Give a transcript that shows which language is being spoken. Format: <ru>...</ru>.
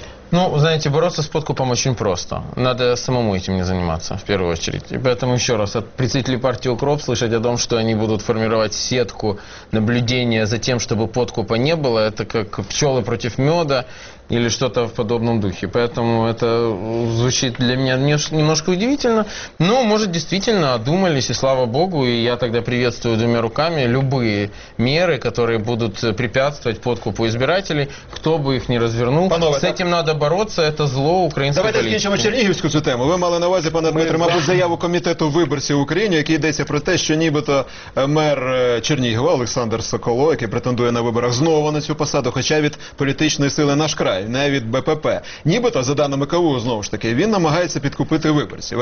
<uk>Ну, знаєте, боротися з подкупом дуже просто.</uk> <ru>Надо самому этим не</ru> <uk>займатися, в першу чергу. І поэтому ще раз, от представителі партії «Укроп»</uk> <ru>слышать о том,</ru> <uk>що вони будуть формувати сітку наблюдення за тим, щоб подкупа не було, це як пчоли проти меду.</uk> <ru>Или что-то в подобном духе. Поэтому это звучит для меня немножко удивительно. Но, может, действительно одумались, и слава богу, и я тогда приветствую двумя руками любые меры, которые будут препятствовать подкупу избирателей, кто бы их ни развернул.</ru> <uk>Панове,</uk> <ru>с этим надо бороться, это зло украинской политики.</ru> <uk>Давайте скинчимо Чернігівську цю тему. Ви мали на увазі, пане Дмитре, мабуть, заяву комітету виборців України, який йдеться про те, що нібито мер Чернігова Олександр Соколо, який претендує на виборах знову на цю посаду, хоча від політичної сили «Наш край», не від БПП. Нібито, за даними КВУ, знову ж таки, він намагається підкупити виборців.</uk>